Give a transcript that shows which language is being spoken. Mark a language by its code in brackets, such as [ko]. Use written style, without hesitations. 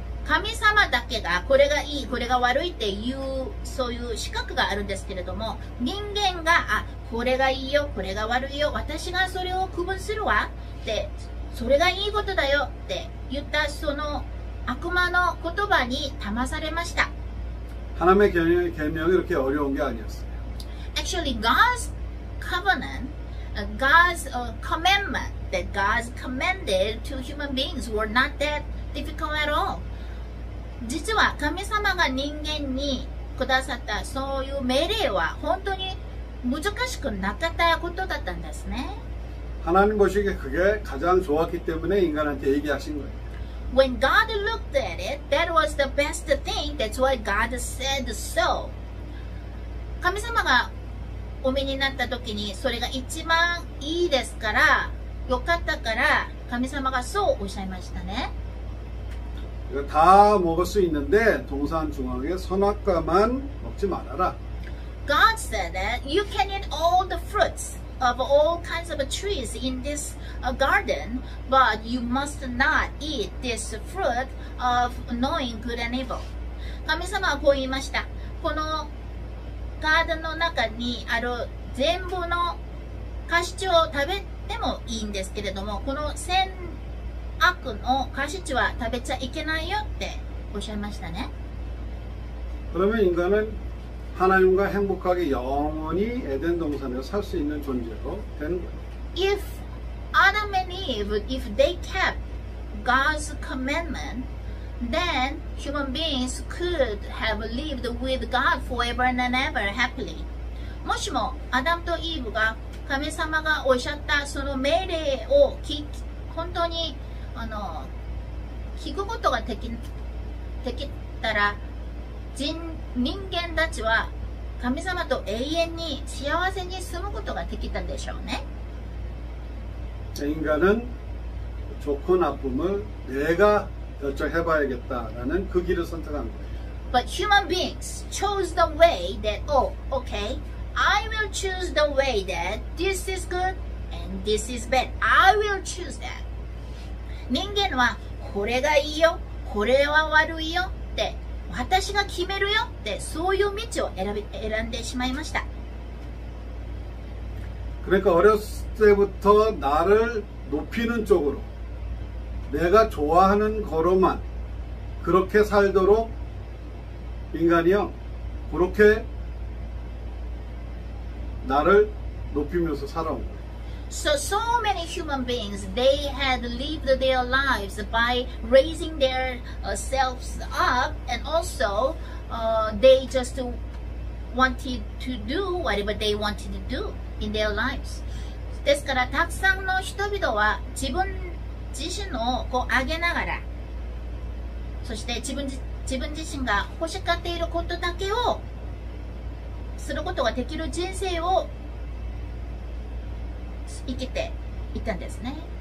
[ja] 神様だけがこれがいいこれが悪いっていうそういう資格があるんですけれども、人間が、あ、これがいいよこれが悪いよ、私がそれを区分するわって、それがいいことだよって言ったその悪魔の言葉に騙されました。 [ko] 하나님의계명이이렇게어려운게아니었어요. [en] Actually, God's covenant, God's commandment that God commanded to human beings were not that difficult at all. [ja] 実は神様が人間にくださったそういう命令は本当に難しくなかったことだったんですね。 [ko] 하나님보시기에그게가장좋았기때문에인간한테얘기하신거예요. [en] When God looked at it, that was the best thing. That's why God said so. [ja] 神様がお目になった時にそれが一番いいですから、よかったから神様がそうおっしゃいましたね。 [ko] 다먹을수있는데동산중앙의선악과만먹지말아라。 [en] God said that you can eat all the fruits of all kinds of trees in this garden, but you must not eat this fruit of knowing good and evil. [ja] 神様はこう言いました。このガーデンの中にある全部の果実を食べてもいいんですけれども、この善悪の果実は食べちゃいけないよっておっしゃいましたね。 [ko] 하나님과행복하게영원히에덴동산에서살수있는존재로된거예요. [en] If Adam and Eve, if they kept God's commandment, then human beings could have lived with God forever and ever happily. [ja] もしもアダムとイーブが神様がおっしゃったその命令を本当に聞くことができたら、人間たちは神様と永遠に幸せに住むことができたんでしょうね。 [ko] 인간은좋고나쁨을내가결정해봐야겠다라는그길을선택한거예요。 [en] But human beings chose the way that, oh, okay, I will choose the way that this is good and this is bad. I will choose that. [ja] 人間はこれがいいよ、これは悪いよって私が決めるよってそういう道を選んでしまいました。 [ko] 그러니까어렸을때부터나를높이는쪽으로내가좋아하는거로만그렇게살도록인간이요그렇게나를높이면서살아온거예요。 [en] So many human beings, they had lived their lives by raising their selves up, and also they just wanted to do whatever they wanted to do in their lives. [ja] ですからたくさんの人々は自分自身をこう上げながら、そして自分自身が欲しがっていることだけをすることができる人生を生きていたんですね。